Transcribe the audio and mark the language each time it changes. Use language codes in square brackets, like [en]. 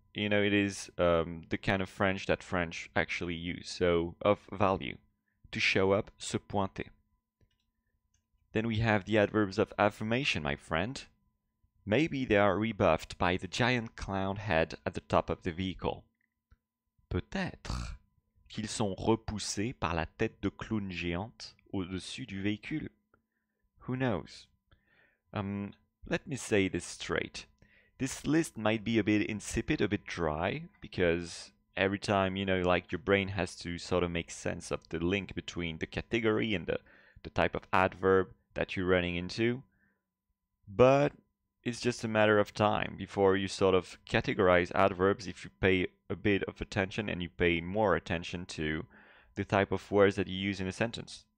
[en] You know, it is the kind of French that French actually use. So, of value. To show up, se pointer. Then we have the adverbs of affirmation, my friend. Maybe they are rebuffed by the giant clown head at the top of the vehicle. [fr] Peut-être qu'ils sont repoussés par la tête de clown géante au-dessus du véhicule. [en] Who knows? Let me say this straight. This list might be a bit insipid, a bit dry, because every time, you know, like your brain has to sort of make sense of the link between the category and the type of adverb that you're running into. But it's just a matter of time before you sort of categorize adverbs if you pay a bit of attention and you pay more attention to the type of words that you use in a sentence.